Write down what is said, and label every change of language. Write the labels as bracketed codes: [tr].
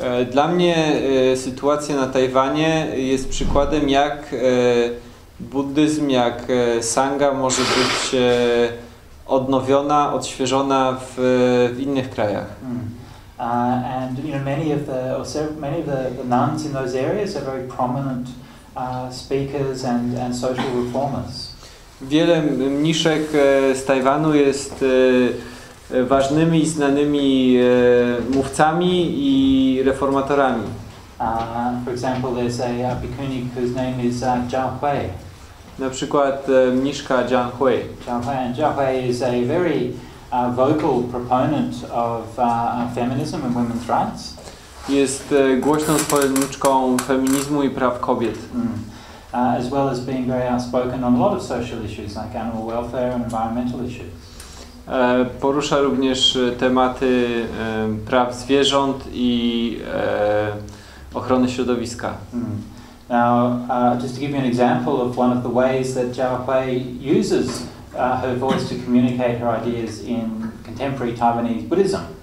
[pl] Dla mnie sytuacja na Tajwanie jest przykładem, jak buddyzm, jak sangha może być odnowiona, odświeżona w innych krajach. [en] And you know many of the nuns in those areas are very prominent speakers and social reformers. [pl] Wiele mniszek z Tajwanu jest ważnymi i znanymi mówcami i reformatorami. [en] For example, there's a bhikkhuni whose name is Zhao Hui. [pl] Na przykład mniszka Zhang Hui. [en] Zhang Hui is a very vocal proponent of feminism and women's rights. [pl] Jest głośną zwolenniczką feminizmu i praw kobiet. [en] As well as being very outspoken on a lot of social issues like animal welfare and environmental issues. [pl] Porusza również tematy praw zwierząt i ochrony środowiska. [en] Now, just to give you an example of one of the ways that Zhao Hui uses her voice to communicate her ideas in contemporary Taiwanese Buddhism.